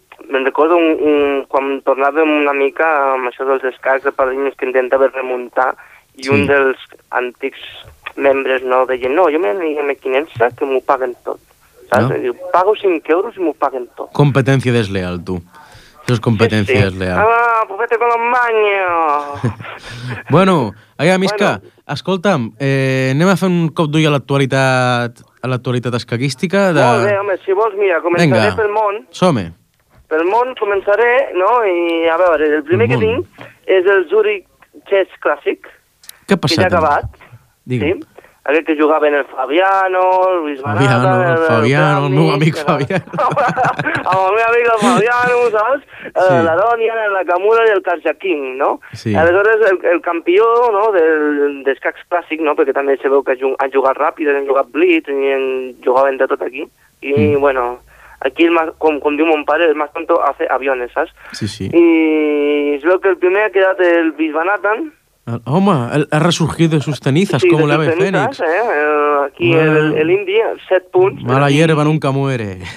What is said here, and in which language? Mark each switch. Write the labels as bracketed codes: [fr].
[ca] Me'n recordo quan tornàvem una mica amb això dels escacs de Pardinyes que intentava remuntar, i sí. Un dels antics membres no deia, no, jo m'anigui a Mequinensa que m'ho paguen tot. Saps? No. Diu, pago 5 euros i m'ho paguen tot. Competència desleal, tu. Això és competència desleal. Sí, sí. [es] Ah, profeta con los maños. [ca] Bueno, allà, Misca, bueno. Escolta'm, anem a fer un cop d'ull a l'actualitat escaquística. De... Molt bé, home, si vols, mira, començaré. Venga. Pel món. Som-hi. Pel món començaré, no? I a veure, el primer que tinc és el Zurich Chess Classic. Què ha passat? Que ja ha acabat. Digue'm. Sí? aquest que jugava en el Fabiano, el Luis Manata... Fabiano, el Fabiano, el meu amic Fabiano. El meu amic Fabiano, saps? Sí. La Dònia, la Camura i el Carjaquim, no? Sí. Aleshores, el campió, no?, del escacs clàssic, no?, perquè també se veu que han jugat ràpid, han jugat blitz, i jugaven de tot aquí. I, bueno, aquí, com diu mon pare, [es] el más tonto hace aviones, [ca] saps? Sí, sí. I es veu que el primer ha quedat el Bisbanatan. Home, ha ressorgit [es] de sus cenizas, [ca] sí, com l'Ave Fènix. Aquí el Indy, 7 punts. [es] Mala hierba nunca muere.